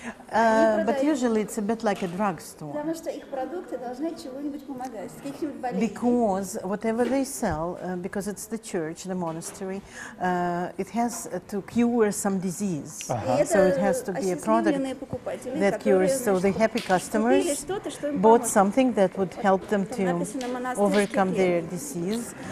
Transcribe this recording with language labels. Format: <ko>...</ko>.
<en>But usually it's a bit like a drugstore.</en> <ru>Потому что их продукты должны чего-нибудь помогать, каких-нибудь болезней.</ru> <en>Because whatever they sell, because it's the church, the monastery, it has to cure some disease. Uh-huh. So it has to be a product that cures. So the happy customers bought something that would help them to overcome their disease.</en>